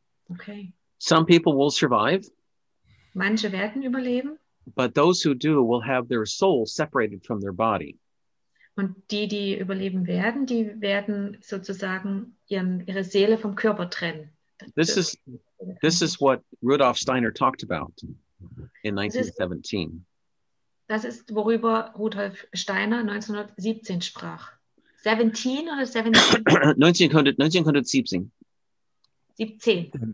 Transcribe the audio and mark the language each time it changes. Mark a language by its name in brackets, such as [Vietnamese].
[English] Okay. Some people will survive. [German] Manche werden überleben. [English] But those who do will have their soul separated from their body. [German] Und die überleben werden, die werden sozusagen ihre Seele vom Körper trennen. [English] This is what Rudolf Steiner talked about in 1917. [German] Das ist worüber Rudolf Steiner 1917 sprach. 17 oder 17? 1917. 17.